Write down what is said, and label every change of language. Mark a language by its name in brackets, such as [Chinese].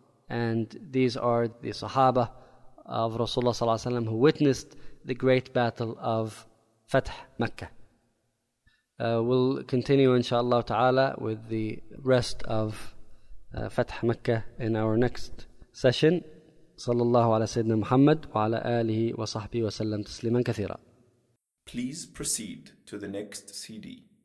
[English] And these are the Sahaba of Rasulullah sallallahu alaihi wasallam who witnessed the great battle of Fath Mecca. We'll continue inshallah ta'ala with the rest of Fath Mecca in our next session. [Arabic] صلى الله على سيدنا محمد وعلى آله وصحبه وسلم تسليما كثيرا. [English] Please proceed to the next CD.